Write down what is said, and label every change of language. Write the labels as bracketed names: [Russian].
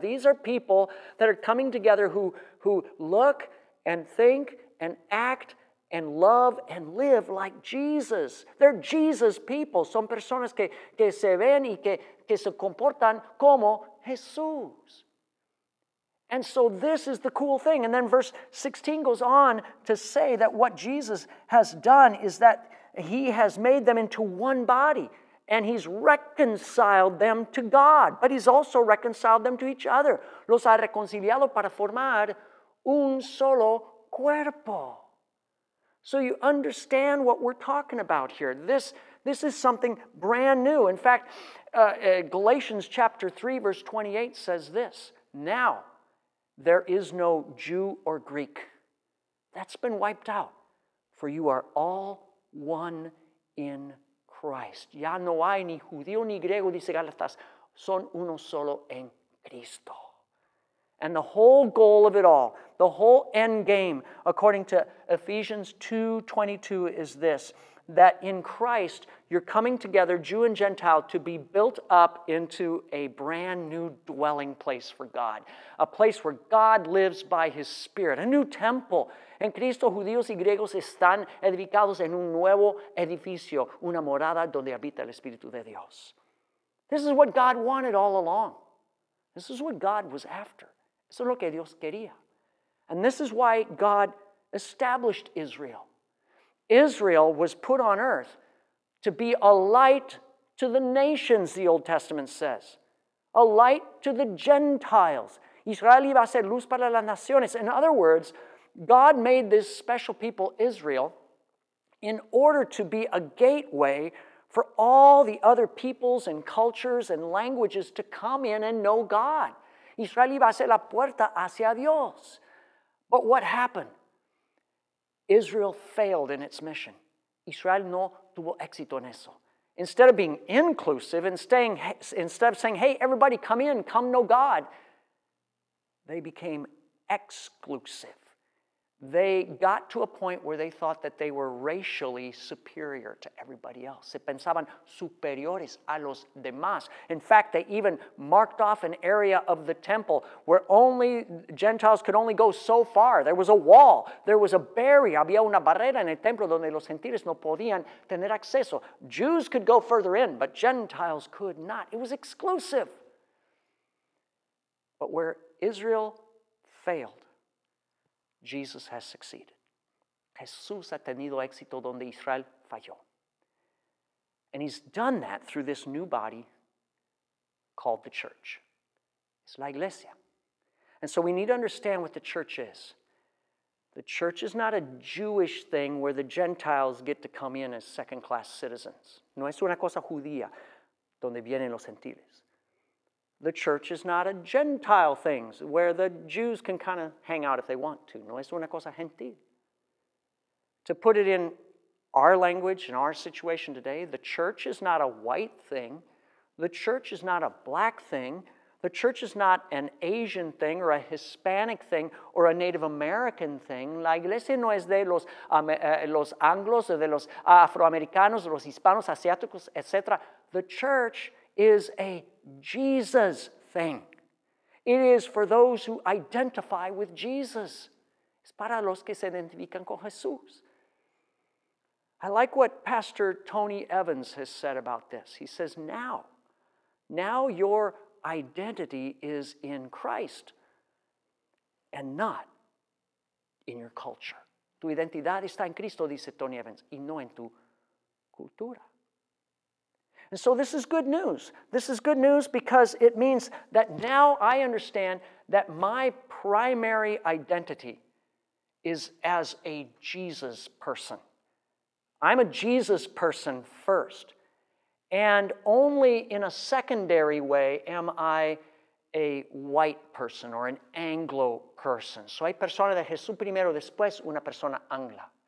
[English] These are people that are coming together who look and think and act and love and live like Jesus. They're Jesus people. [Spanish] Son personas que se ven y que se comportan como Jesús. [English] And so this is the cool thing. And then verse 16 goes on to say that what Jesus has done is that he has made them into one body and he's reconciled them to God, but he's also reconciled them to each other. [Spanish] Los ha reconciliado para formar un solo cuerpo. [English] So you understand what we're talking about here. This is something brand new. In fact, Galatians chapter 3, verse 28 says this: now there is no Jew or Greek. That's been wiped out, for you are all one in Christ. [Spanish] Ya no hay ni judío ni griego, dice Galatas, son uno solo en Cristo. [English] And the whole goal of it all, the whole end game, according to Ephesians 2:22, is this: that in Christ, you're coming together, Jew and Gentile, to be built up into a brand new dwelling place for God, a place where God lives by his Spirit, a new temple. [Spanish] En Cristo, judíos y griegos están edificados en un nuevo edificio, una morada donde habita el Espíritu de Dios. [English] This is what God wanted all along. This is what God was after. [Spanish] Eso es lo que Dios quería. [English] And this is why God established Israel. Israel was put on earth to be a light to the nations, the Old Testament says. A light to the Gentiles. [Spanish] Israel iba a ser luz para las naciones. [English] In other words, God made this special people, Israel, in order to be a gateway for all the other peoples and cultures and languages to come in and know God. [Spanish] Israel iba a ser la puerta hacia Dios. [English] But what happened? Israel failed in its mission. [Spanish] Israel no tuvo éxito en eso. [English] Instead of being inclusive and instead of saying, hey, everybody come in, come know God, they became exclusive. They got to a point where they thought that they were racially superior to everybody else. [Spanish] Se pensaban superiores a los demás. [English] In fact, they even marked off an area of the temple where only Gentiles could only go so far. There was a wall. There was a barrier. [Spanish] Había una barrera en el templo donde los gentiles no podían tener acceso. [English] Jews could go further in, but Gentiles could not. It was exclusive. But where Israel failed, Jesus has succeeded. [Spanish] Jesús ha tenido éxito donde Israel falló. [English] And he's done that through this new body called the church. It's la iglesia. And so we need to understand what the church is. The church is not a Jewish thing where the Gentiles get to come in as second-class citizens. [Spanish] No es una cosa judía donde vienen los gentiles. [English] The church is not a Gentile thing where the Jews can kind of hang out if they want to. [Spanish] No es una cosa gentil. [English] To put it in our language, in our situation today, the church is not a white thing. The church is not a black thing. The church is not an Asian thing or a Hispanic thing or a Native American thing. [Spanish] La iglesia no es de los anglos, de los afroamericanos, de los hispanos, asiáticos, etc. [English] The church is a Jesus thing. It is for those who identify with Jesus. [Spanish] Es para los que se identifican con Jesús. [English] I like what Pastor Tony Evans has said about this. He says, now your identity is in Christ and not in your culture. [Spanish] Tu identidad está en Cristo, dice Tony Evans, y no en tu cultura. [English] And so this is good news. This is good news because it means that now I understand that my primary identity is as a Jesus person. I'm a Jesus person first. And only in a secondary way am I a white person or an Anglo person. [Spanish] Soy persona de Jesús primero, después una persona angla.